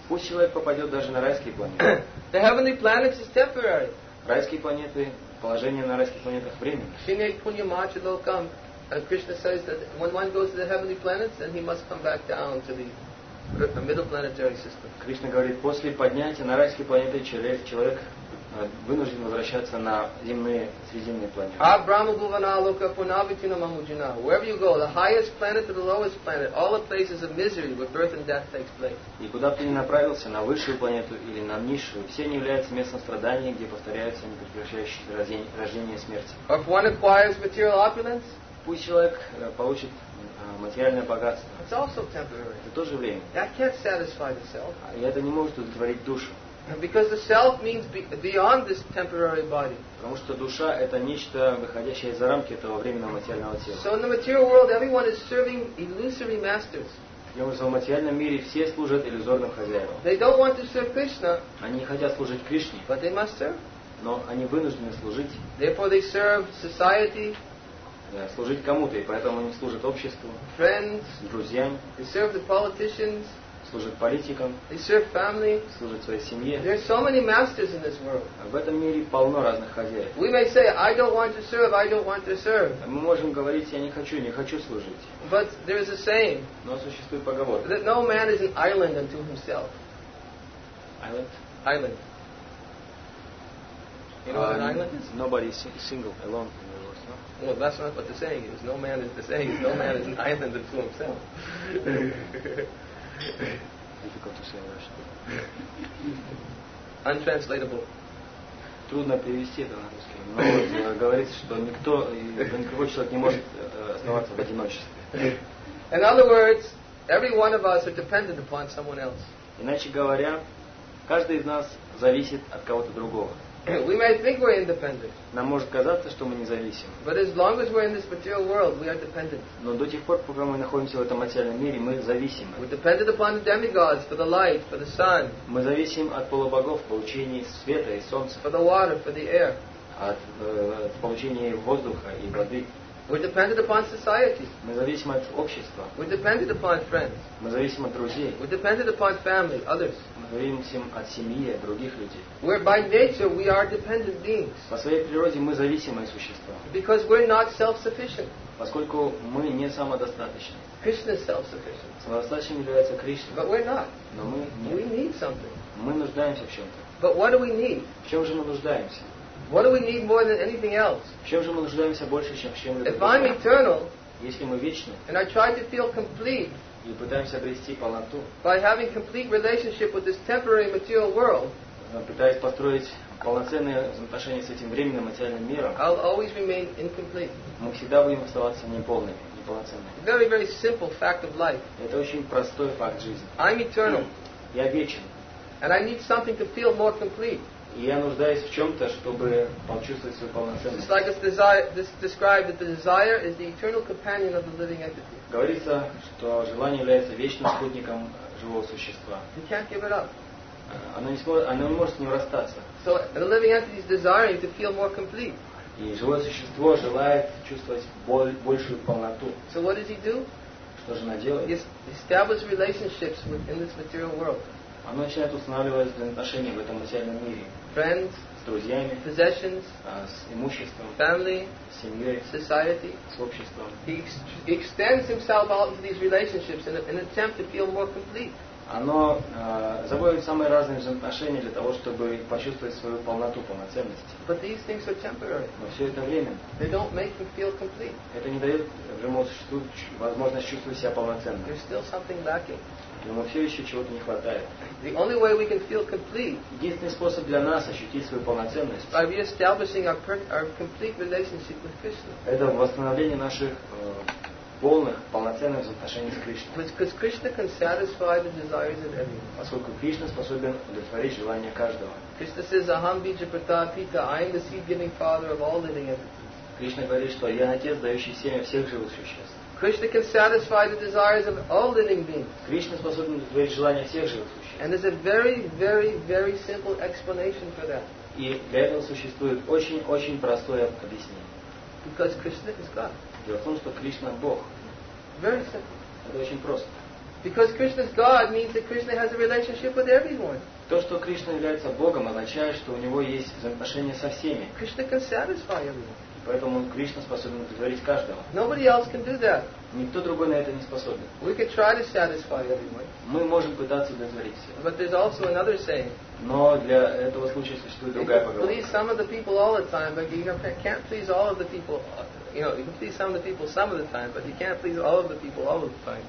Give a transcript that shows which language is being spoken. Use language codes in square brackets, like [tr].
[ru] Пусть человек попадет даже на райские планеты. [en] The heavenly planets is temporary. [ru] Райские планеты, положение на райских планетах временное. [en] And Krishna says that when one goes to the heavenly planets, then he must come back down to the middle planetary system. [ru] Krishna говорит, после поднятия на райские планеты человек вынужден возвращаться на земные средиземные планеты. [sa] Abrahma bhuvana loka punavitina mamujina. [en] Wherever you go, the highest planet to the lowest planet, all the places of misery where birth and death takes place. [ru] И куда бы ты ни направился, на высшую планету или на низшую, все они являются местом страданий, где повторяются непрекращающиеся рождения и смерти. [en] If one acquires material opulence. [ru] Пусть человек получит материальное богатство. [en] It's also temporary. [ru] Это тоже время. [en] That can't satisfy the self. [ru] И это не может удовлетворить душу. [en] Because the self means beyond this temporary body. [ru] Потому что душа это нечто выходящее за рамки этого временного материального тела. [en] So in the material world, everyone is serving illusory masters. [ru] Тем же в материальном мире все служат иллюзорным хозяевам. [en] They don't want to serve Krishna. [ru] Они не хотят служить Кришне. [en] But they must serve. [ru] Но они вынуждены служить. [en] Therefore they serve society. [ru] Служить кому-то, и поэтому они служат обществу, [en] friends, [ru] друзьям, [en] they serve the politicians, [ru] служат политикам, [en] they serve family, [ru] служат своей семье. [en] There are so many masters in this world. [ru] В этом мире полно разных хозяев. [en] We may say, I don't want to serve, I don't want to serve. [ru] Мы можем говорить, я не хочу, не хочу служить. [en] But there is a saying, [ru] но существует поговорка, [en] that no man is an island unto himself. Island? Island. You know what an island is? Nobody is single, alone. Well, that's not what the saying is. No man is the saying. No man is an island unto himself. Difficult to say in Russian. Untranslatable. [ru] Трудно перевести это на русский. Но говорится, что никто, никакой человек не может оставаться в одиночестве. [en] In other words, every one of us are dependent upon someone else. [ru] Иначе говоря, каждый из нас зависит от кого-то другого. [en] We may think we're independent. [ru] Нам может казаться, что мы независимы. [en] But as long as we're in this material world, we are dependent. [ru] Но до тех пор, пока мы находимся в этом материальном мире, мы зависимы. [en] We're dependent upon the demigods for the light, for the sun. [ru] Мы зависим от полубогов в получении света и солнца. [en] For the water, for the air. [ru] От получения воздуха и воды. [en] We're dependent upon society. [ru] Мы зависим от общества. [en] We're dependent upon friends. [ru] Мы зависим от друзей. [en] We're dependent upon family, others. [ru] Мы зависим от семьи, от других людей. [en] We're by nature we are dependent beings. [ru] По своей природе мы зависимые существа. [en] Because we're not self-sufficient. [ru] Поскольку мы не самодостаточны. [en] Krishna is self-sufficient. [ru] Самодостаточным является Кришна. [en] But we're not. [ru] Но мы нет. [en] We need something. [ru] Мы нуждаемся в чем-то. [en] But what do we need? [ru] В чем же мы нуждаемся? [en] What do we need more than anything else? [ru] В чем же мы нуждаемся больше, чем в чем-либо? [en] If I'm eternal, [ru] если мы вечны, [en] and I try to feel complete, [ru] и пытаемся обрести полноту, [en] by having complete relationship with this temporary material world, [ru] пытаясь построить полноценные отношения с этим временным материальным миром, [en] I'll always remain incomplete. [ru] Мы всегда будем оставаться неполными, неполноценными. [en] Very, very simple fact of life. [ru] Это очень простой факт жизни. [en] I'm eternal. [ru] Я вечен. [en] And I need something to feel more complete. [ru] И я нуждаюсь в чем-то, чтобы почувствовать свою полноценность. [en] It's like it's desire, this described that the desire is the eternal companion of the living entity. [ru] Говорится, что желание является вечным спутником живого существа. [en] You can't give it up. [ru] Оно не может с ним расстаться. [en] So the living entity is desiring to feel more complete. [ru] И живое существо желает чувствовать большую полноту. [en] So what does he do? [ru] Что же оно делает? [en] He establishes relationships within this material world. [ru] Оно начинает устанавливать взаимоотношения в этом материальном мире. [en] Friends, [ru] с друзьями, [en] possessions, [ru] с имуществом, [en] family, [ru] с семьей, [en] society, [ru] с обществом. [en] He extends himself out into these relationships in an attempt to feel more complete. [ru] Оно заводит самые разные взаимоотношения для того, чтобы почувствовать свою полноту, полноценность. [en] But these things are temporary. [ru] Но все это временно. [en] They don't make him feel complete. [ru] Это не дает живому существу возможность чувствовать себя полноценно. [en] There's still something lacking. [ru] Ему все еще чего-то не хватает. [en] The only way we can feel complete, [ru] единственный способ для нас ощутить свою полноценность, [en] by re-establishing our complete relationship with Krishna. [ru] Это восстановление наших полных, полноценных отношений с Кришной. [en] Because Krishna can satisfy the desires of everyone. [ru] Поскольку Кришна способен удовлетворить желания каждого. [en] Krishna says, [sa] "Aham bija pratapita, [en] I am the seed-giving father of all living entities." [ru] Кришна говорит, что я отец, дающий семя всех живых существ. [en] Krishna can satisfy the desires of all living beings. [ru] Кришна способен удовлетворить желания всех живых существ. [en] And there's a very, very, very simple explanation for that. [ru] И для этого существует очень-очень простое объяснение. [en] Because Krishna is God. [ru] Дело в том, что Кришна Бог. [en] Very simple. [ru] Это очень просто. [en] Because Krishna is God means that Krishna has a relationship with everyone. [ru] То, что Кришна является Богом, означает, что у него есть взаимоотношения со всеми. [en] Krishna can satisfy everyone. [ru] Поэтому Кришна способен удовлетворить каждого. [en] Nobody else can do that. [ru] Никто другой на это не способен. [en] We can try to satisfy everyone. [ru] Мы можем пытаться удовлетворить всех. [en] But there's also another saying. [ru] Но для этого случая существует другая поговорка. [en] You can please some of the people all the time, but you can't please all of the people. You know, you can please some of the people some of the time, but you can't please all of the people all of the time.